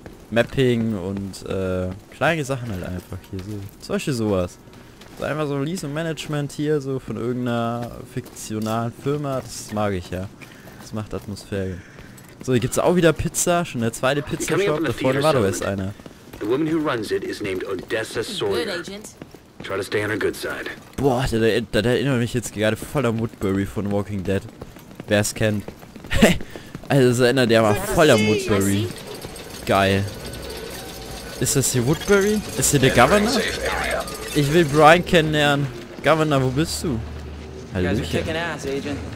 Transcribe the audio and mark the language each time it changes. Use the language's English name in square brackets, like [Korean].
[German] Mapping und kleine Sachen halt einfach hier, so, solche sowas. So einfach so Lease und Management hier, so von irgendeiner fiktionalen Firma, das mag ich ja. Das macht Atmosphäre. So, hier gibt's auch wieder Pizza, schon der zweite Pizza-Shop, da vorne war doch erst einer. [English] The woman who runs it is named Odessa Sawyer. Try to stay on her good side. [German] Boah, der erinnert mich jetzt gerade voll am Woodbury von Walking Dead. Wer es kennt. Also das erinnert der mal voll am Woodbury. Geil. Ist das hier Woodbury? Ist hier der Governor? Ich will Brian kennenlernen. Governor, wo bist du? Hallöchen.